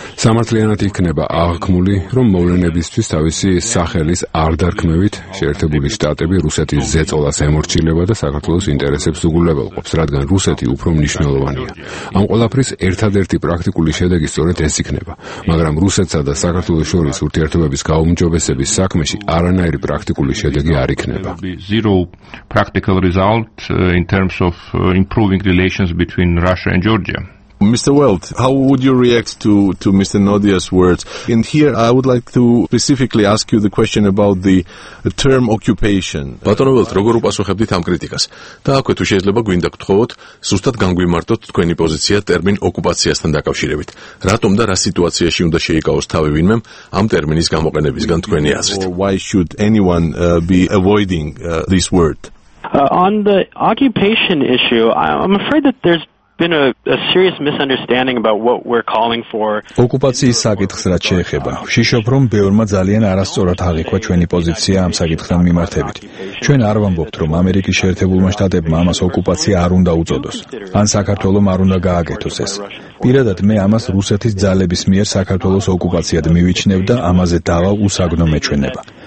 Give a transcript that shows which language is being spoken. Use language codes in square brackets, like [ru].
[ka] სამართლიანად იქნება აღქმული, რომ მოვლენებისთვის თავისი სახელის არ დარქმევით შეერთებული შტატები რუსეთის ზეწოლას ემორჩილება და საქართველოს ინტერესებს უგულებელყოფს, რადგან რუსეთი უფრო მნიშვნელოვანია. ამ ყველაფრის ერთადერთი პრაქტიკული შედეგი სწორედ ეს იქნება. მაგრამ რუსეთსა და საქართველოს შორის ურთიერთობების გაუმჯობესების საქმეში არანაირი პრაქტიკული შედეგი არ იქნება. [en] Result in terms of improving relations between Russia and Georgia. Mr. Weld, how would you react to Mr. Nodia's words? And here I would like to specifically ask you the question about the term occupation. [ka] Patron Weld, როგორ უპასუხებდით ამ კრიტიკას? და აქვე თუ შეიძლება გვინდა გთხოვოთ, ზუსტად განგვიმარტოთ თქვენი პოზიცია ტერმინ ოკუპაციასთან დაკავშირებით. რატომ და რა სიტუაციაში უნდა შეიკავოს თავი ვინმე ამ ტერმინის გამოყენებისგან თქვენი აზრით? [en] Why should anyone be avoiding this word? On the occupation issue, I'm afraid that there's been a serious misunderstanding about what we're calling for. [ka] ოკუპაციის საკითხს რაც შეეხება, ვშიშობ, რომ ბევრმა ძალიან არასწორად აღიქვა ჩვენი პოზიცია ამ საკითხთან მიმართებით. ჩვენ არ ვამბობთ, რომ ამერიკის შეერთებულმა შტატებმა ამას ოკუპაცია არ უნდა უწოდოს, ან საქართველოს არ უნდა გააკეთოს ეს. პირადად მე ამას რუსეთის ძალების მიერ საქართველოს ოკუპაციად მივიჩნევ და ამაზე დავა უსაგნო მეჩვენება.